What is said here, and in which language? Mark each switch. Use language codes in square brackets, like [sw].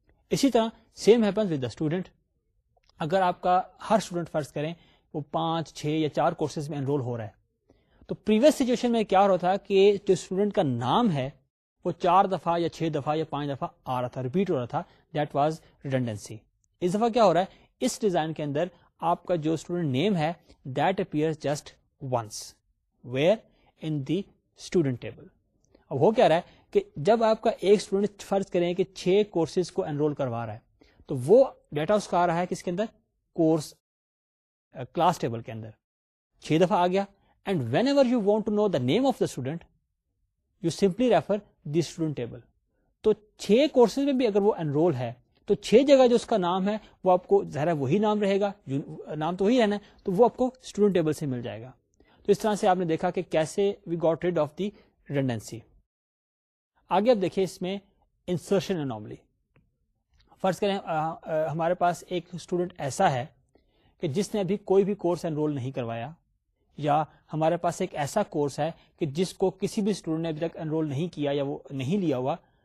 [ur] اسی طرح [en] Same happens with the student. [ur] اگر آپ کا ہر اسٹوڈنٹ فرض کریں وہ 5, 6 یا 4 کورسز میں انرول ہو رہا ہے, تو پریویس سچویشن میں کیا ہو رہا تھا کہ جو اسٹوڈنٹ کا نام ہے وہ 4 دفعہ یا 6 دفعہ یا 5 دفعہ آ رہا تھا, ریپیٹ ہو رہا تھا, [en] That was redundancy. [ur] اس دفعہ کیا ہو رہا ہے, اس ڈیزائن کے اندر آپ کا جو اسٹوڈنٹ نیم ہے [en] That appears just once, where in the student table. [ur] اب وہ کیا رہا ہے کہ جب آپ کا ایک اسٹوڈنٹ فرض کریں کہ 6 کورسز کو انرول کروا رہا ہے تو وہ ڈیٹا اس کا آ رہا ہے کس کے اندر, کورس کلاس ٹیبل کے اندر, 6 دفعہ آ گیا. [en] And whenever you want to know the name of the student you simply refer the student table. [ur] تو 6 کورسز میں بھی اگر وہ انرول ہے تو 6 جگہ جو اس کا نام ہے وہ آپ کو ظاہر ہے وہی نام رہے گا, نام تو وہی رہنا ہے, تو وہ آپ کو اسٹوڈنٹ ٹیبل سے مل جائے گا. تو اس طرح سے آپ نے دیکھا کہ کیسے [en] We got rid of the redundancy. [ur] آگے آپ دیکھیں اس میں انسرشن انومالی. فرض کریں ہمارے پاس ایک اسٹوڈنٹ ایسا ہے کہ جس نے ابھی کوئی بھی کورس انرول نہیں کروایا, یا ہمارے پاس ایک ایسا کورس ہے کہ جس کو کسی بھی اسٹوڈنٹ نے ابھی تک انرول نہیں کیا یا وہ نہیں لیا ہوا.